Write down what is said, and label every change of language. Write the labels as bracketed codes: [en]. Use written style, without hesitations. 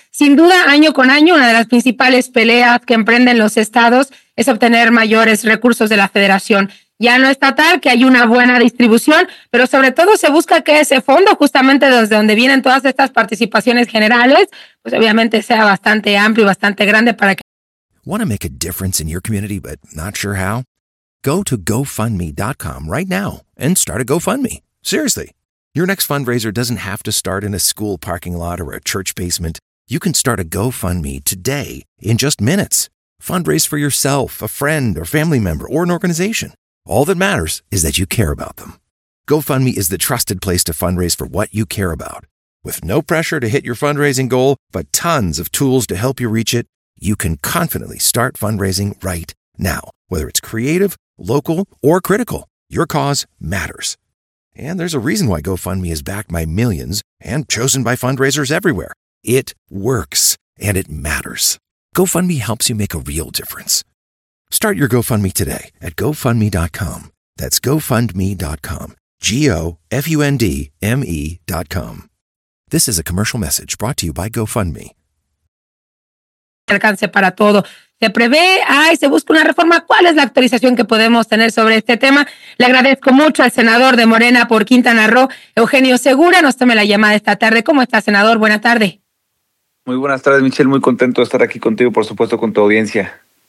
[es] Sin duda, año con año, una de las principales peleas que emprenden los estados es obtener mayores recursos de la federación. Ya no estatal, que hay una buena distribución, pero sobre todo se busca que ese fondo, justamente desde donde vienen todas estas participaciones generales, pues obviamente sea bastante amplio y bastante grande para que... [en] Want to make a difference in your community, but not sure how? Go to GoFundMe.com right now and start a GoFundMe. Seriously, your next fundraiser doesn't have to start in a school parking lot or a church basement. You can start a GoFundMe today in just minutes. Fundraise for yourself, a friend, or family member, or an organization. All that matters is that you care about them. GoFundMe is the trusted place to fundraise for what you care about. With no pressure to hit your fundraising goal, but tons of tools to help you reach it, you can confidently start fundraising right now. Whether it's creative, local, or critical, your cause matters. And there's a reason why GoFundMe is backed by millions and chosen by fundraisers everywhere. It works, and it matters. GoFundMe helps you make a real difference. Start your GoFundMe today at GoFundMe.com. That's GoFundMe.com. GoFundMe.com. This is a commercial message brought to you by GoFundMe. [es] Alcance para todo. Se prevé, ay, se busca una reforma. ¿Cuál es la actualización que podemos tener sobre este tema? Le agradezco mucho al senador de Morena por Quintana Roo, Eugenio Segura. Nos tome la llamada esta tarde. ¿Cómo está, senador? Buena tarde. Muy buenas tardes, Michelle. Muy contento de estar aquí contigo, por supuesto, con tu audiencia.